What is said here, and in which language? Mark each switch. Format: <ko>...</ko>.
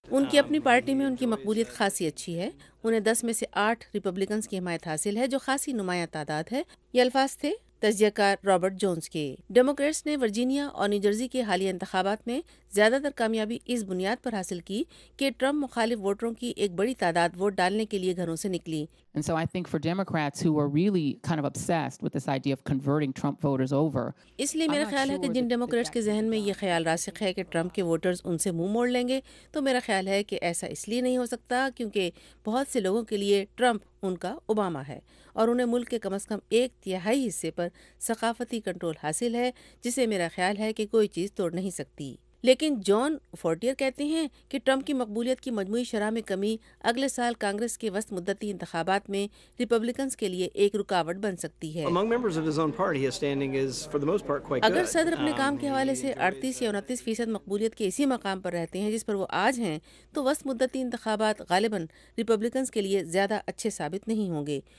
<ur>ان کی اپنی پارٹی میں ان کی مقبولیت خاصی اچھی ہے، انہیں 10 میں سے 8 ریپبلکنز کی حمایت حاصل ہے، جو خاصی نمایاں تعداد ہے۔ یہ الفاظ تھے تجزیہ کار رابرٹ جونز کے۔ ڈیموکریٹس نے ورجینیا اور نیوجرسی کے حالیہ انتخابات میں زیادہ تر کامیابی اس بنیاد پر حاصل کی کہ ٹرمپ مخالف ووٹروں کی ایک بڑی تعداد ووٹ ڈالنے کے لیے گھروں سے نکلی۔</ur> <en>And so I think for Democrats who were really kind of obsessed with this idea of converting Trump voters over.</en> <ur>اس لیے میرا خیال ہے کہ جن ڈیموکریٹس کے ذہن میں یہ خیال راسخ ہے کہ ٹرمپ کے ووٹرز ان سے منہ موڑ لیں گے، تو میرا خیال ہے کہ ایسا اس لیے نہیں ہو سکتا کیونکہ بہت سے لوگوں کے لیے ٹرمپ ان کا اوباما ہے، اور انہیں ملک کے کم از کم ایک تہائی حصے پر ثقافتی کنٹرول حاصل ہے، جسے میرا خیال ہے کہ کوئی چیز توڑ نہیں سکتی۔ لیکن جان فورٹیئر کہتے ہیں کہ ٹرمپ کی مقبولیت کی مجموعی شرح میں کمی اگلے سال کانگریس کے وسط مدتی انتخابات میں ریپبلکنز کے لیے ایک رکاوٹ بن سکتی ہے۔ اگر صدر اپنے کام کے حوالے سے 38 یا 29% مقبولیت کے اسی مقام پر رہتے ہیں جس پر وہ آج ہیں، تو وسط مدتی انتخابات غالباً ریپبلکنز کے لیے زیادہ اچھے ثابت نہیں ہوں گے۔</ur>